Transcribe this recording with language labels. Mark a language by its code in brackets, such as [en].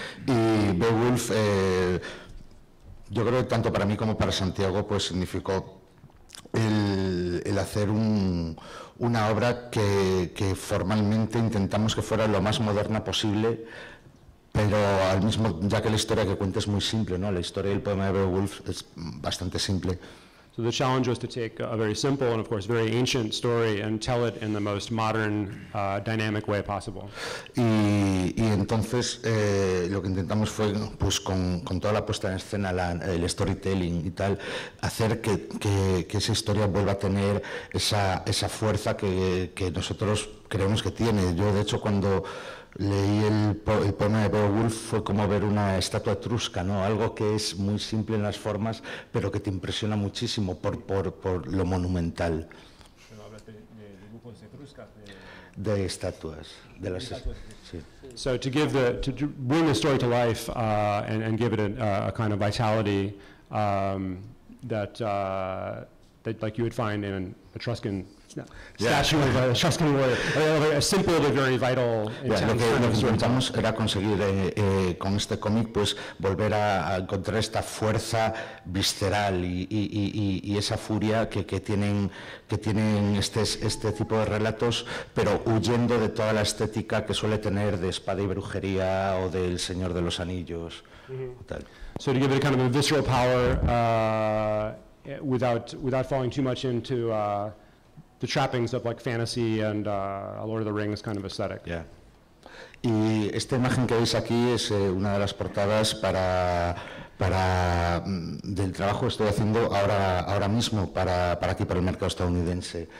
[es] Y Beowulf, yo creo que tanto para mí como para Santiago, pues significó el hacer una obra que formalmente intentamos que fuera lo más moderna posible, pero al mismo, ya que la historia que cuenta es muy simple, ¿no? La historia del poema de Beowulf es bastante simple. [en] So the challenge was to take a very simple and, of course, very ancient story and tell it in the most modern, dynamic way possible. [es] Y entonces lo que intentamos fue, pues, con toda la puesta en escena, el storytelling y tal, hacer que esa historia vuelva a tener esa fuerza que nosotros creemos que tiene. Yo, de hecho, cuando leí el poema de Beowulf fue como ver una estatua etrusca, ¿no? Algo que es muy simple en las formas, pero que te impresiona muchísimo por lo monumental. Pero háblate de dibujos etruscas. De estatuas. De las estatuas. [en] Sí. So to bring the story to life and give it a kind of vitality that like you would find in an Etruscan. Yeah. Statue of a Etruscan warrior. A simple but very vital. [es] Lo que intentamos era conseguir con este cómic, pues, volver a encontrar esta fuerza visceral y esa furia que tienen este tipo de relatos, pero huyendo de toda la estética que suele tener de espada y brujería o del Señor de los Anillos. Mm-hmm. Tal. [en] So to give it a kind of a visceral power without falling too much into the trappings of like fantasy and a Lord of the Rings kind of aesthetic. Yeah. [es] Y esta imagen que veis aquí es una de las portadas del trabajo que estoy haciendo ahora mismo para aquí, para el mercado estadounidense.